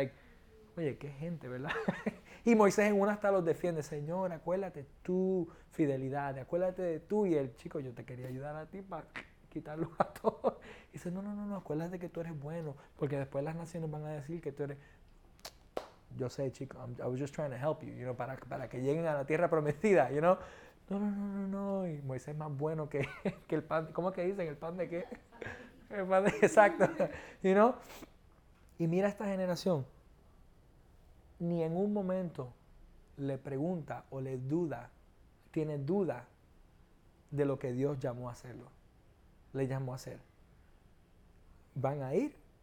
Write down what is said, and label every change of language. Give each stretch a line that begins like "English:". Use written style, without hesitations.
Spanish: Like, oye, qué gente, ¿verdad? Y Moisés en una hasta los defiende. Señor, acuérdate tu fidelidad, acuérdate de tú. Y el chico, yo te quería ayudar a ti para quitarlo a todos. Y dice, no, acuérdate que tú eres bueno, porque después las naciones van a decir que tú eres... Yo sé, chico,
English: I was just trying to help you, you know,
Spanish: para que lleguen a la tierra prometida, you know. No. Y Moisés es más bueno que el pan. ¿Cómo que dicen? ¿El pan de qué? El pan de... Exacto.
English: You know?
Spanish: Y mira esta generación. Ni en un momento le pregunta o le duda, tiene duda de lo que Dios llamó a hacerlo. Le llamó a hacer. ¿Van a ir?